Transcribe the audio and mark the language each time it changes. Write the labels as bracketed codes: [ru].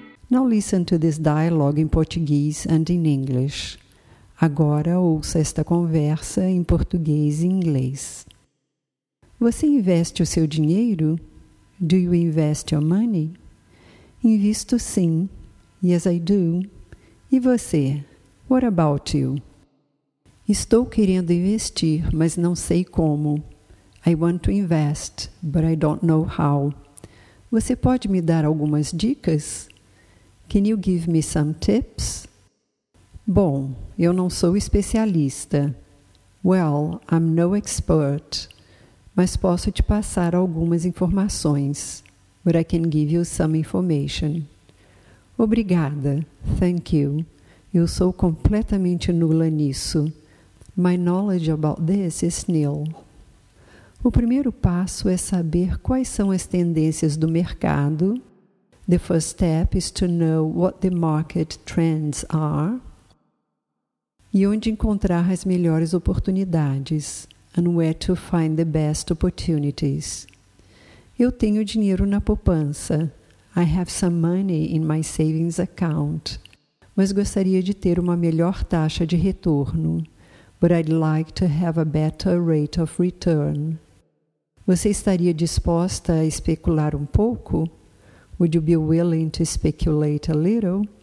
[en] Now listen to this dialogue in Portuguese and in English. [pt] Agora ouça esta conversa em português e inglês. Você investe o seu dinheiro? [en] Do you invest your money? [pt] Invisto sim. [en] Yes, I do. [pt] E você? [en] What about you? [pt] Estou querendo investir, mas não sei como. [en] I want to invest, but I don't know how. [pt] Você pode me dar algumas dicas? [en] Can you give me some tips? [pt] Bom, eu não sou especialista. [en] Well, I'm no expert. [pt] Mas posso te passar algumas informações. [en] But I can give you some information. [pt] Obrigada. [en] Thank you. [pt] Eu sou completamente nula nisso. [en] My knowledge about this is nil. [pt] O primeiro passo é saber quais são as tendências do mercado. [en] The first step is to know what the market trends are. [pt] E onde encontrar as melhores oportunidades. [en] And where to find the best opportunities. [pt] Eu tenho dinheiro na poupança. [en] I have some money in my savings account. [pt] Mas gostaria de ter uma melhor taxa de retorno. [en] But I'd like to have a better rate of return. [pt] Você estaria disposta a especular um pouco? [en] Would you be willing to speculate a little?